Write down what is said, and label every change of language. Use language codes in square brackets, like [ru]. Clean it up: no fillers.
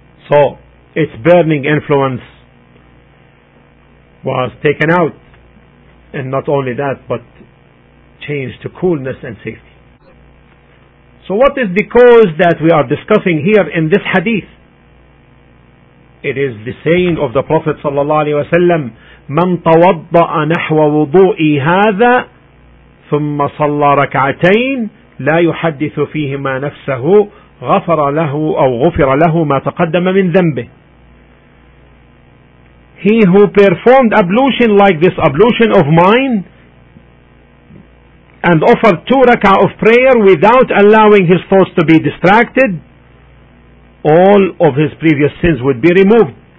[en] So its burning influence was taken out, and not only that, but changed to coolness and safety. So what is the cause that we are discussing here in this hadith? It is the saying of the Prophet sallallahu alaihi wasallam, [ar] من توضأ نحو وضوئي هذا ثم صلى ركعتين لا يحدث فيهما نفسه غفر له أو غفر له ما تقدم من ذنبه. [en] He who performed ablution like this ablution of mine and offered two rak'ah of prayer without allowing his thoughts to be distracted, all of his previous sins would be removed.